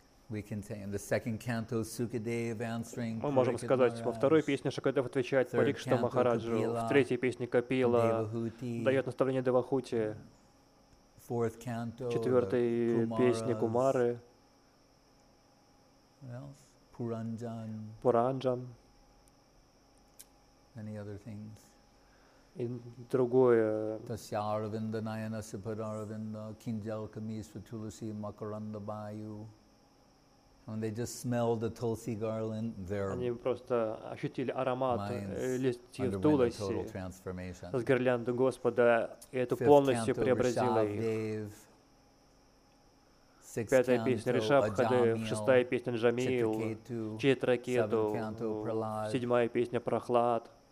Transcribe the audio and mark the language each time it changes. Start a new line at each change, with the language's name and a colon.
English: We can say in the second canto, Sukadev answering.
Russian: Мы можем сказать во второй песне Шукадев отвечает Парикшита Махараджу. В третьей песне Капила дает наставление Девахути.
English: Fourth canto.
Russian: Четвертой песне Кумары. Пуранджан. Пуранджан.
English: Any other things?
Russian: И другое.
Sanskrit: Тасяравинда Наяна Сипадаравинда Кинджал Камисва Туласи Макаранда Баю.
English: When they just smell the tulsi garland, their
Russian: они просто ощутили аромат листьев туласи с гирлянды Господа, и это полностью преобразило их. Пятая песня Ришабхадев, шестая песня Джамил, Читракету, седьмая песня Прохлад.